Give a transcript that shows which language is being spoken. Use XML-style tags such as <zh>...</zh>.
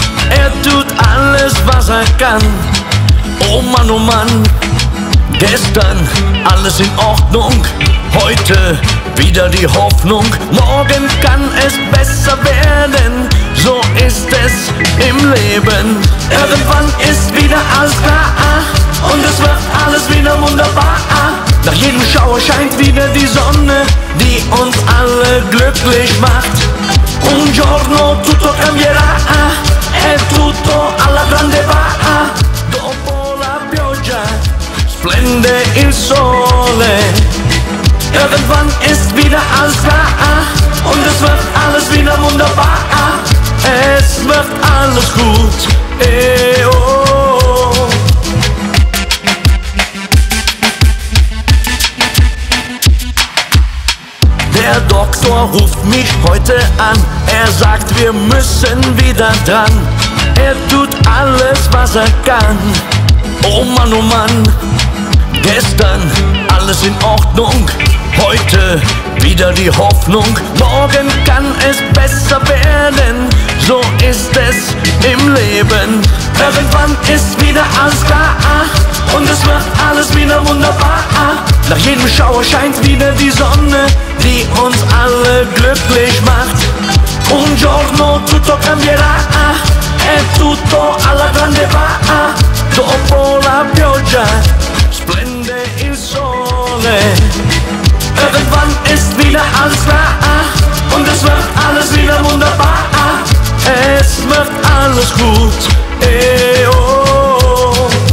<de>Er tut alles, was er kann. Oh Mann, gestern alles in Ordnung, heute wieder die Hoffnung, morgen kann es besser werden, so ist es im Leben. Irgendwann ist wieder alles klar, und es wird alles wieder wunderbar. Nach jedem Schauer scheint wieder die Sonne, die uns alle glücklich macht.</de> <it>Un giorno tutto cambierà, e tutto alla grande va. Dopo la pioggia splende il sole.</it> <de>Irgendwann ist wieder alles klar, und es wird alles wieder wunderbar. Es wird alles gut, eh oh. Der Doktor ruft mich heute an, er sagt, wir müssen wieder dran. Er tut alles, was er kann. Oh Mann, gestern alles in Ordnung, heute wieder die Hoffnung, morgen kann es besser werden, so ist es im Leben. Irgendwann ist wieder alles klar, und es wird alles wieder wunderbar. Nach jedem Schauer scheint wieder die Sonne, die uns alle glücklich macht.</de> <it>Un giorno tutto cambierà, e tutto alla grande va. Dopo la pioggia splende il sole.</it> <de>Irgendwann ist wieder alles klar, und es wird alles wieder wunderbar. Es wird alles gut, ey, oh.</de>